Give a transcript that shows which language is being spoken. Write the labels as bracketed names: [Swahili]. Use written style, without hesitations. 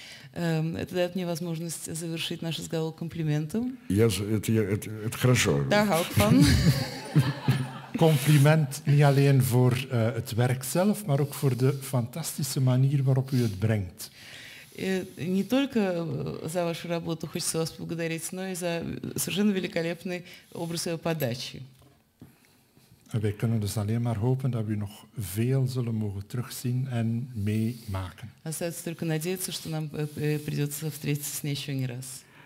[Russian] Это дает мне возможность завершить наш разговор комплиментом. Это хорошо. [Dutch] Daar hou ik van. Compliment niet alleen voor het werk zelf, maar ook voor de fantastische manier waarop u het brengt. [Russian] Не только за вашу работу хочется вас поблагодарить, но и за совершенно великолепный образ его подачи. [Dutch] Wij kunnen dus alleen maar hopen dat we nog veel zullen mogen terugzien en meemaken. [Russian] Остается только надеяться, что нам придется встретиться с ней еще не раз.